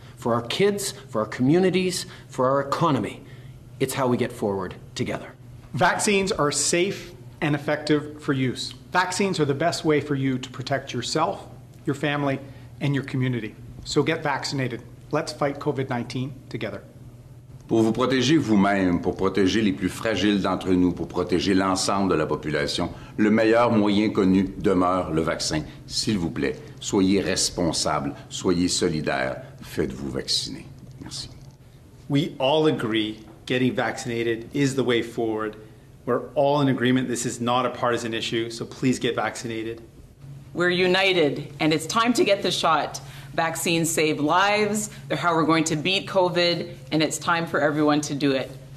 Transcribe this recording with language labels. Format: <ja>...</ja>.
<en>For our kids, for our communities, for our economy. It's how we get forward together. Vaccines are safe and effective for use. Vaccines are the best way for you to protect yourself, your family, and your community. So get vaccinated. Let's fight COVID-19 together.</en> <fr>Pour vous protéger vous-même, pour protéger les plus fragiles d'entre nous, pour protéger l'ensemble de la population, le meilleur moyen connu demeure le vaccin. S'il vous plaît, soyez responsables, soyez solidaires, faites-vous vacciner. Merci.</fr> <en>We all agree getting vaccinated is the way forward. We're all in agreement. This is not a partisan issue, so please get vaccinated. We're united, and it's time to get the shot. Vaccines save lives, they're how we're going to beat COVID, and it's time for everyone to do it.</en>